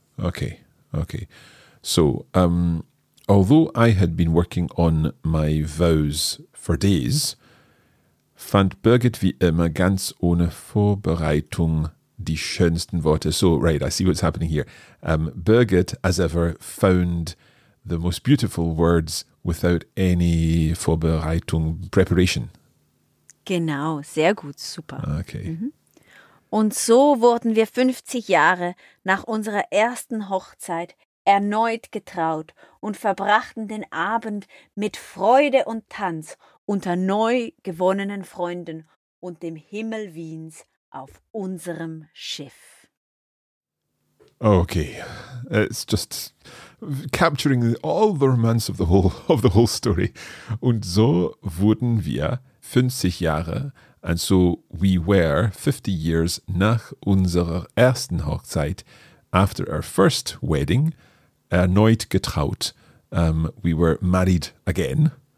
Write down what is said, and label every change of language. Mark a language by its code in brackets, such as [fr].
[en] Okay, okay. So, although I had been working on my vows for days, [de] fand Birgit wie immer ganz ohne Vorbereitung die schönsten Worte. [en] So, right, I see what's happening here. Birgit, as ever, found the most beautiful words without any Vorbereitung, preparation. [de] Genau, sehr gut, super. [en] Okay. Mm-hmm. [de] Und so wurden wir 50 Jahre nach unserer ersten Hochzeit erneut getraut und verbrachten den Abend mit Freude und Tanz unter neu gewonnenen Freunden und dem Himmel Wiens auf unserem Schiff. [en] Okay, it's just capturing all the romance of the whole story. [de] Und so wurden wir 50 Jahre, [en] and so we were 50 years [de] nach unserer ersten Hochzeit, [en] after our first wedding, [de] erneut getraut. [en] We were married again.